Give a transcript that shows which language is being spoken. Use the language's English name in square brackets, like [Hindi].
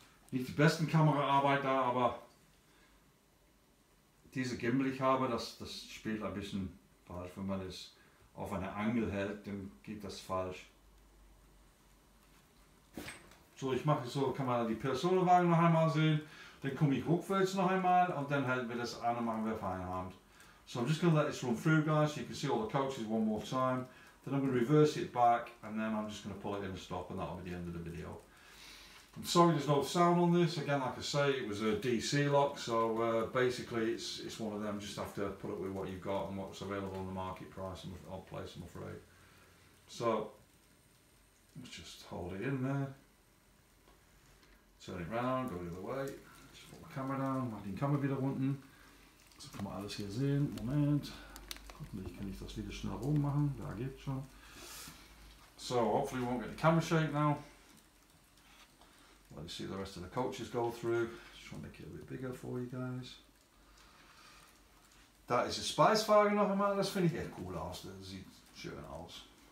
[German] Nicht die besten Kameraarbeit da, aber diese Gimbal ich habe, das spielt ein bisschen falsch. Wenn man es auf eine Angel hält, dann geht das falsch. So, ich mache so, kann man die Personenwagen noch einmal sehen. Dann komme ich rückwärts noch einmal und dann halten wir das an und machen wir Feierabend. [English] So I'm just going to let this run through, guys, you can see all the coaches one more time. Then I'm going to reverse it back and then I'm just going to pull it in and stop and that'll be the end of the video. I'm sorry there's no sound on this. Again, like I say, it was a DC lock, so basically it's one of them. Just have to put up with what you've got and what's available on the market price and odd place, I'm afraid. So let's just hold it in there. Turn it around, go the other way. Just put my camera down, my [German] den camera wieder unten. So kann man alles hier sehen. Moment. Hoffentlich kann ich das wieder schnell rum machen. Da geht's schon. [English] So hopefully we won't get the camera shake now. Let you see the rest of the coaches go through. Just trying to make it a bit bigger for you guys. That is a [German] Spicewagen noch einmal. Das finde ich echt cool aus. Das sieht schön aus.